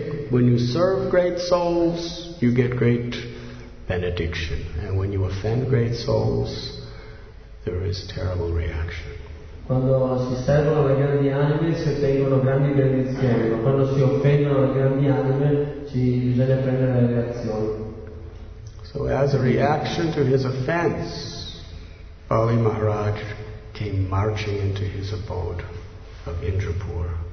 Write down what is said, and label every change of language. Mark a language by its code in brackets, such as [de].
[en] When you serve great souls, you get great benediction, and when you offend great souls, there is terrible reaction. [it] Quando si servono le grandi anime si ottengono grandi benedizioni, ma quando si offendono le grandi anime ci bisogna prendere le reazioni. [en] So as a reaction to his offense, Bali Maharaj came marching into his abode of Indrapur.